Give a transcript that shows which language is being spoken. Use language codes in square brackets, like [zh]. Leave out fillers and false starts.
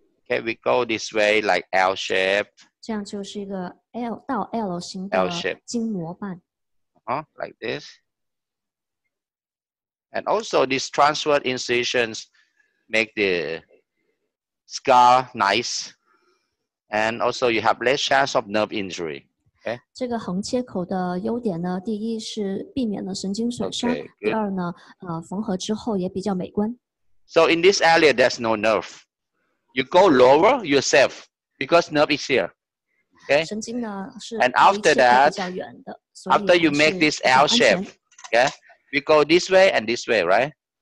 [en] Okay, we go this way like L shape. [zh] 这样就是一个 L 到 L 型的筋膜瓣。 [en] Like this. And also, these transverse incisions make the scar nice. And also, you have less chance of nerve injury. Okay. [zh] 这个横切口的优点呢，第一是避免了神经损伤， [en] okay, [zh] 第二呢，缝合之后也比较美观。 [en] So in this area, there's no nerve. You go lower yourself because nerve is here. Okay. [zh] 神经呢是。 [en] And after that, after you make this L shape, okay, we go this way and this way, right?